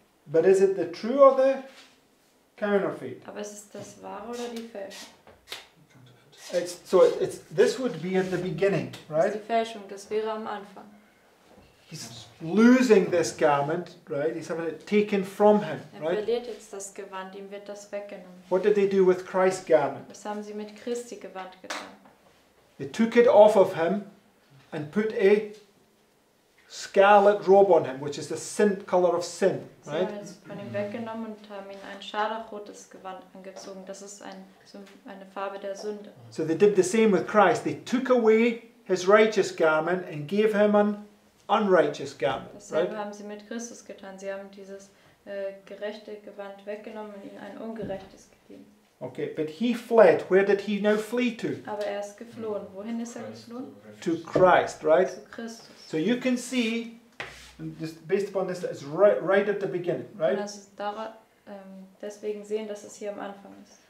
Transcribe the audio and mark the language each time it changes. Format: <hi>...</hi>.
<en>But is it the true or the counterfeit?</en> <de>Aber ist es das wahre oder die fälsche?</de> <en>It's this would be at the beginning, right?</en> <de>Die Fälschung, das wäre am Anfang.</de> <en>He's losing this garment, right? He's having it taken from him, right?</en> <de>Er verliert jetzt das Gewand, ihm wird das weggenommen.</de> <en>What did they do with Christ's garment?</en> <de>Was haben sie mit Christi Gewand getan?</de> <en>They took it off of him and put a scarlet robe on him, which is the sin color of sin, right?</en> <de>Sie haben es von ihm weggenommen und haben ihn ein scharlachrotes Gewand angezogen. Das ist eine Farbe der Sünde.</de> <en>So they did the same with Christ. They took away his righteous garment and gave him an unrighteous garment.</en> <de>Dasselbe right? haben sie mit Christus getan. Sie haben dieses gerechte Gewand weggenommen und ihm ein ungerechtes gegeben.</de> <en>Okay, but he fled. Where did he now flee to?</en> <de>Aber er ist geflohen. Wohin ist er geflohen?</de> <en>To Christ, right?</en> <de>Zu Christus.</de> <en>So you can see, just based upon this, it's right at the beginning, right?</en> <de>Und das ist daran, deswegen sehen, dass es hier am Anfang ist.</de>